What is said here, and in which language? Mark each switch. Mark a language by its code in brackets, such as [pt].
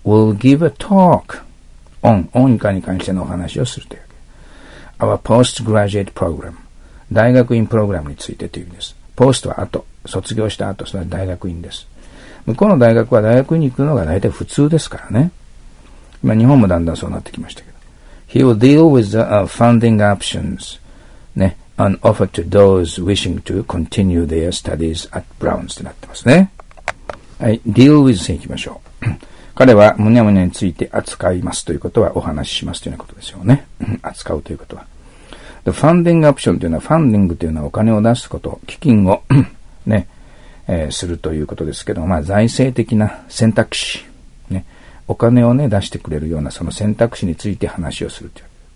[en] Will give a talk on [ja] 音楽に関してのお話をするというわけ。 [en] Our postgraduate program [ja] 大学院プログラムについてという意味です。 Post は後、卒業した後、それは大学院です。向こうの大学は大学院に行くのが大体普通ですからね。今日本もだんだんそうなってきましたけど。 [en] He will deal with the funding options ね。 An offer to those wishing to continue their studies at Brown's [ja] ってなってますね。はい。deal with 線行きましょう。彼はむにゃむにゃについて扱いますということはお話ししますというようなことですよね。扱うということは。 The funding option というのは、ファンディングというのはお金を出すこと、基金をね、するということですけど、まあ財政的な選択肢、ね、お金をね、出してくれるようなその選択肢について話をするという。